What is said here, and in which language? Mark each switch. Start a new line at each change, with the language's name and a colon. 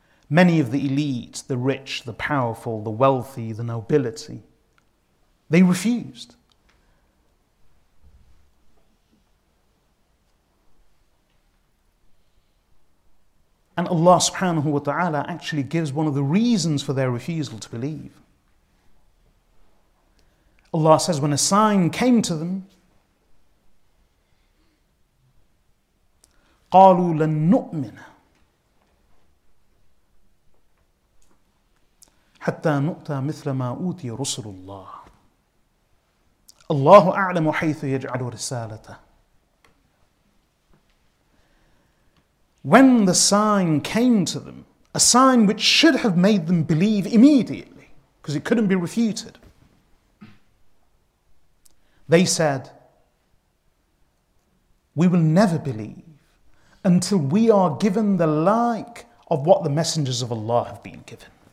English: Many of the elite, the rich, the powerful, the wealthy, the nobility, they refused. And Allah subhanahu wa ta'ala actually gives one of the reasons for their refusal to believe. Allah says, when a sign came to them,
Arabic: قَالُوا لَن نُؤْمِنَ حَتَّى نُؤْتَى مِثْلَ مَا أُوتِيَ رُسُلُ اللَّهِ اللَّهُ أَعْلَمُ حَيْثُ يَجْعَلُ رِسَالَتَهُ.
English: When the sign came to them, a sign which should have made them believe immediately, because it couldn't be refuted, they said, we will never believe until we are given the like of what the messengers of Allah have been given.